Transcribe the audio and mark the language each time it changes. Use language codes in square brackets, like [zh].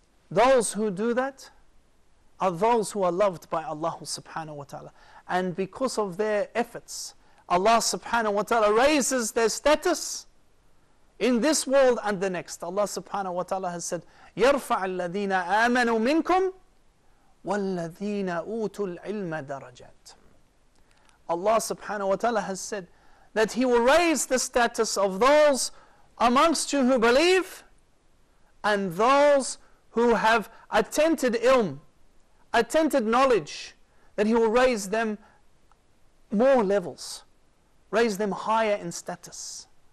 [en] Those who do that are those who are loved by Allah subhanahu wa ta'ala. And because of their efforts, Allah subhanahu wa ta'ala raises their status in this world and the next. Allah subhanahu wa ta'ala has said, [ar] يَرْفَعَ الَّذِينَ آمَنُوا مِنْكُمْ وَالَّذِينَ أُوتُوا الْعِلْمَ دَرَجَاتٍ. [en] Allah subhanahu wa ta'ala has said that He will raise the status of those amongst you who believe and those who have attained ilm, attained knowledge, that He will raise them more levels, raise them higher in status.